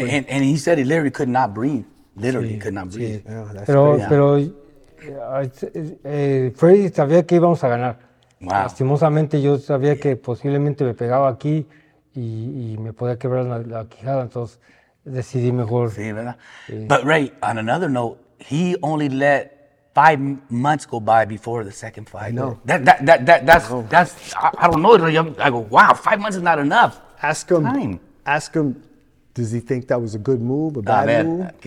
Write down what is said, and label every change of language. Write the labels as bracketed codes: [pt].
[en] And he said he literally could not breathe. Literally could not breathe. [es] Yeah, pero Freddy sabía que íbamos a ganar. [en] Wow. [es] Lastimosamente yo sabía que posiblemente me pegaba aquí y me podía quebrar la quijada, entonces... Decidí mejor. Sí, ¿verdad? Sí. [en] But Ray, on another note, he only let 5 months go by before the second fight. No. I don't know. I go, wow, 5 months is not enough. Ask him, does he think that was a good move, a bad move?